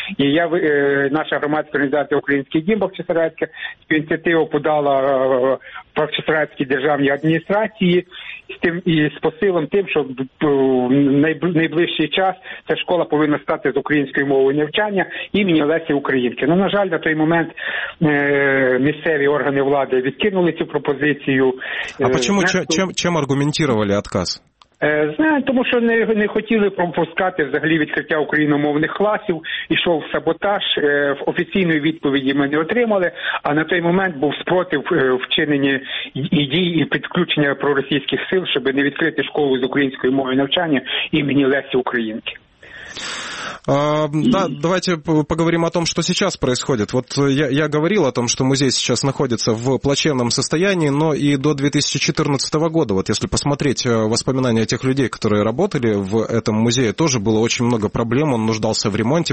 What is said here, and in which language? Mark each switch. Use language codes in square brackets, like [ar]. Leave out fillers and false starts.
[uk] І я, наша громадська організація «Український дім Бахчисарайська» з ініціативи подала Бахчисарайській державній адміністрації з тим і з посилом тим, що найближчий час ця школа повинна стати з української мови навчання імені Лесі Українки. Ну, на жаль, на той момент місцеві органи влади відкинули цю пропозицію. [ru] А почему, чем аргументировали отказ? [uk] Знаю, тому що не хотіли пропускати взагалі відкриття україномовних класів, ішов саботаж, в офіційної відповіді ми не отримали, а на той момент був спротив вчинення і дій і підключення проросійських сил, щоб не відкрити школу з української мови навчання імені Лесі Українки. [ru] Да, давайте поговорим о том, что сейчас происходит. Вот я говорил о том, что музей сейчас находится в плачевном состоянии, но и до 2014 года, вот если посмотреть воспоминания тех людей, которые работали в этом музее, тоже было очень много проблем, он нуждался в ремонте.